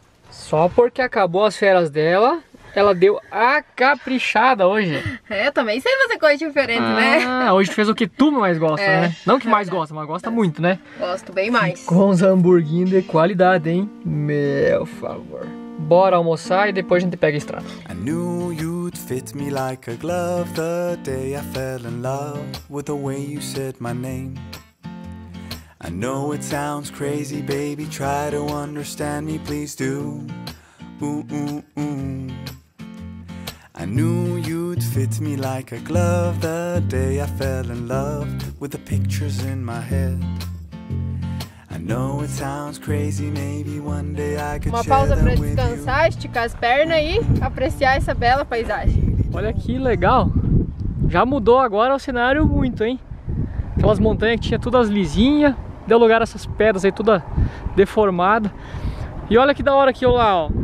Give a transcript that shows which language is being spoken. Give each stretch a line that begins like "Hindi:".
Portuguese: Só porque acabou as férias dela, ela deu a caprichada hoje. É, eu também sei fazer coisa diferente, ah, né? Ah, hoje fez o que tu mais gosta, é, né? Não que mais gosta, mas gosta muito, né? Gosto bem mais. Com os hamburguinhos de qualidade, hein? Meu favor. Bora almoçar e depois a gente pega a estrada.
English: I knew you'd fit me like a glove the day I fell in love with the way you said my name. I know it sounds crazy, baby, try to understand me, please do. Ooh, ooh, ooh. I knew you'd fit me like a glove the day I fell in love with the pictures in my head. I know it sounds crazy, maybe one day I could share them with you.
Portuguese: Uma pausa pra descansar, esticar as pernas e apreciar essa bela paisagem. Olha que legal. Já mudou agora o cenário muito, hein? Aquelas montanhas que tinha todas lisinhas. Deu lugar a essas pedras aí, toda deformada. E olha que da hora aqui, olha lá, ó.